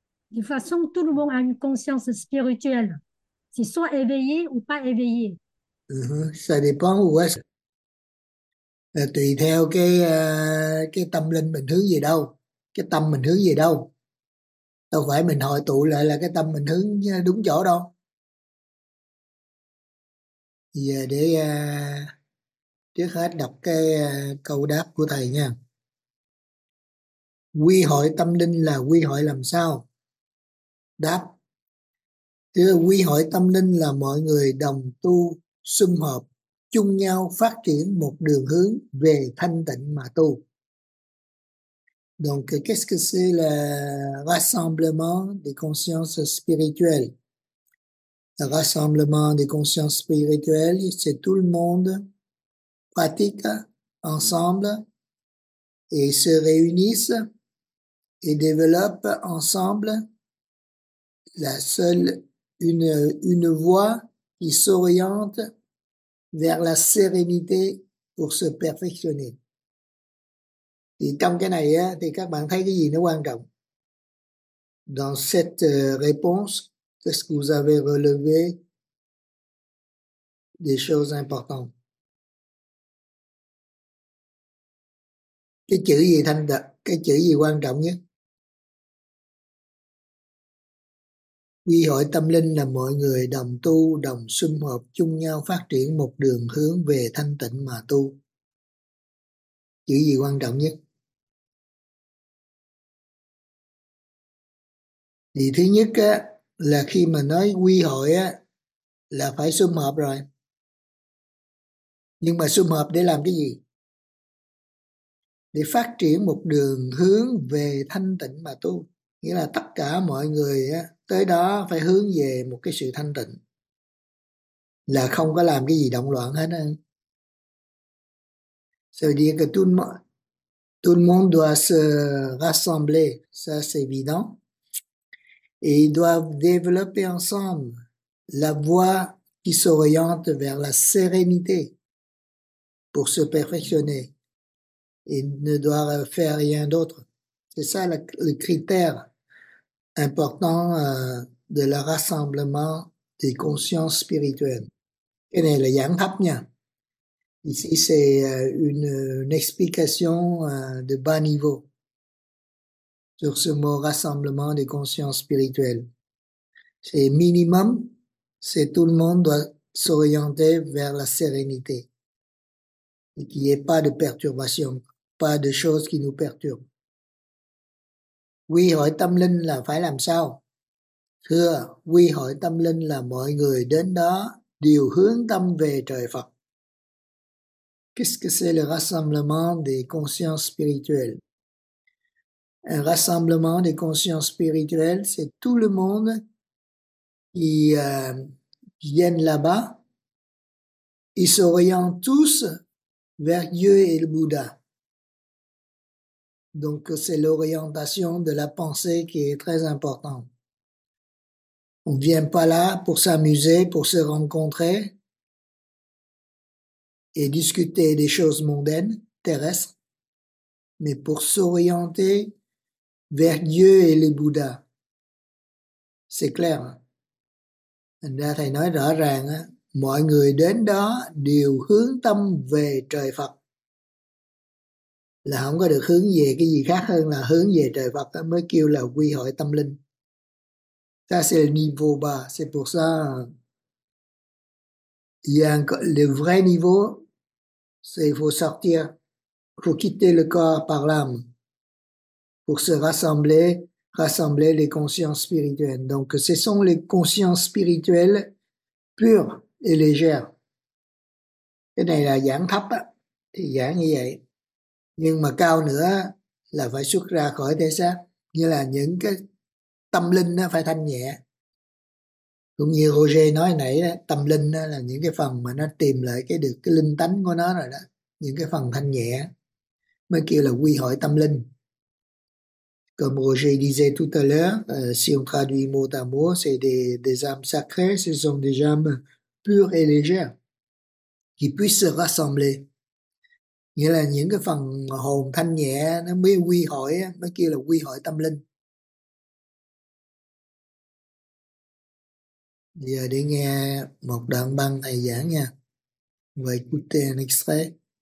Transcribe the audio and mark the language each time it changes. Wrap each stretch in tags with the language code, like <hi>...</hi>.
<fr>De toute façon, tout le monde a une conscience spirituelle. C'est soit éveillé ou pas éveillé. Ça dépend où est-ce.</fr> <vi>Là tùy theo cái tâm linh mình hướng về đâu, cái tâm mình hướng về đâu. Đâu phải mình hội tụ lại là cái tâm mình hướng đúng chỗ đâu. Giờ để trước hết đọc cái câu đáp của thầy nha. Quy hội tâm linh là quy hội làm sao? Đáp. Thì quy hội tâm linh là mọi người đồng tu sum họp chung nhau phát triển một đường hướng về thanh tịnh mà tu.</vi> <fr>Donc, qu'est-ce que c'est le rassemblement des consciences spirituelles? Le rassemblement des consciences spirituelles, c'est tout le monde pratique ensemble et se réunissent et développent ensemble la seule, une voie qui s'oriente vers la sérénité pour se perfectionner.</fr> <vi>Thì trong cái này á, thì các bạn thấy cái gì nó quan trọng?</vi> <fr>Dans cette réponse, qu'est-ce que vous avez relevé des choses importantes?</fr> <vi>Cái chữ gì thanh đặc, cái chữ gì quan trọng nhất? Quy hội tâm linh là mọi người đồng tu, đồng sum họp, chung nhau phát triển một đường hướng về thanh tịnh mà tu. Chữ gì quan trọng nhất? Thì thứ nhất á, là khi mà nói quy hội á, là phải sum họp rồi. Nhưng mà sum họp để làm cái gì? Để phát triển một đường hướng về thanh tịnh mà tu. Nghĩa là tất cả mọi người á, tới đó phải hướng về một cái sự thanh tịnh, là không có làm cái gì động loạn hết.</vi> <fr>Ça veut dire que tout le monde doit se rassembler, ça c'est évident. Et ils doivent développer ensemble la voie qui s'oriente vers la sérénité pour se perfectionner. Ils ne doivent faire rien d'autre. C'est ça le critère important de leur rassemblement des consciences spirituelles.</fr> <vi>Cái này là giảng thấp nha.</vi> <fr>Ici, c'est une explication de bas niveau sur ce mot rassemblement des consciences spirituelles. C'est minimum, c'est tout le monde doit s'orienter vers la sérénité et qu'il n'y ait pas de perturbation, pas de choses qui nous perturbent.</fr> <vi>Quy hội tâm linh là phải làm sao? Thưa, quy hội tâm linh là mọi người đến đó đều hướng tâm về trời Phật.</vi> <fr>Qu'est-ce que c'est le rassemblement des consciences spirituelles? Un rassemblement des consciences spirituelles, c'est tout le monde qui viennent là-bas. Ils s'orientent tous vers Dieu et le Bouddha. Donc, c'est l'orientation de la pensée qui est très importante. On ne vient pas là pour s'amuser, pour se rencontrer et discuter des choses mondaines, terrestres, mais pour s'orienter vers Dieu et les Bouddhas. C'est clair.</fr> <vi>Thành ra thầy nói rõ ràng á, mọi người đến đó đều hướng tâm về trời Phật. Là không có được hướng về cái gì khác hơn là hướng về trời Phật đó, mới kêu là quy hội tâm linh.</vi> <fr>Ça c'est le niveau bas, c'est pour ça. Il y a le vrai niveau, c'est il faut sortir, faut quitter le corps par l'âme pour se rassembler les consciences spirituelles. Donc ce sont les consciences spirituelles pures et légères.</fr> <vi>Cái này là giảng thấp á, thì giảng như vậy. Nhưng mà cao nữa là phải xuất ra khỏi thể xác, như là những cái tâm linh nó phải thanh nhẹ. Cũng như Roger nói nãy đó, tâm linh đó là những cái phần mà nó tìm lại cái được cái linh tánh của nó rồi đó, những cái phần thanh nhẹ mới kêu là quy hội tâm linh.</vi> <fr>Comme Roger disait tout à l'heure, si on traduit mot à mot, c'est des âmes sacrées, ce sont des âmes pures et légères qui puissent se rassembler.</fr> <vi>Nghĩa là những cái phần hồn thanh nhẹ nó mới quy hội, mới kêu là quy hội tâm linh. Giờ để nghe một đoạn băng thầy giảng nha. Vậy cụ tên extrait.</vi>